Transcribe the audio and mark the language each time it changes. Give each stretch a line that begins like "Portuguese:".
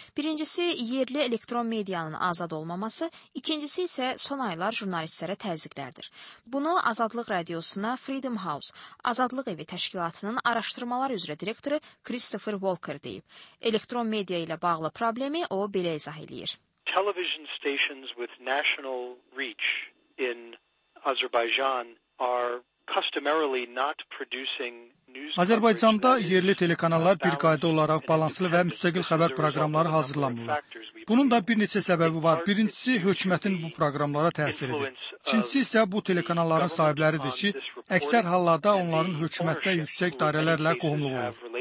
Azerbaijani: Birincisi, yerli elektron medianın azad olmaması, ikincisi isə son aylar jurnalistlərə təzyiqlərdir. Bunu Azadlıq Radiosuna Freedom House, Azadlıq Evi Təşkilatının araşdırmalar üzrə direktoru Christopher Walker deyib. Elektron media ilə bağlı problemi o belə izah eləyir.
English: Television stations with national reach in Azerbaijan are customarily not producing
Azerbaijani: Azərbaycanda yerli telekanallar bir qayda olaraq balanslı və müstəqil xəbər programları hazırlamırlar. Bunun da bir neçə səbəbi var. Birincisi, hökumətin bu programlara təsiridir. İkincisi isə bu telekanalların sahibləridir ki, əksər hallarda onların hökumətdə yüksək dairələrlə qohumluğu olur.